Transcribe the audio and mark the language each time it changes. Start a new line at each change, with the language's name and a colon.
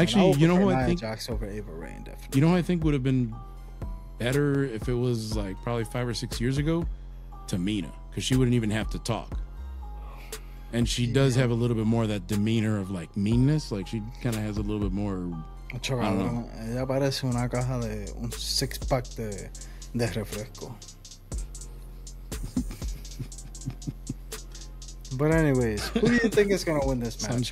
English: Actually, you know who I think Jax over Ava Rain, definitely. You know who I think would have been better if it was like probably 5 or 6 years ago? Tamina, because she wouldn't even have to talk, and she does have a little bit more of that demeanor of like meanness. Like she kind of has a little bit more. Chorro, I don't know.
Spanish: Ya parece una caja de un six pack de refresco.
English: But anyways, who do you think is gonna win this match?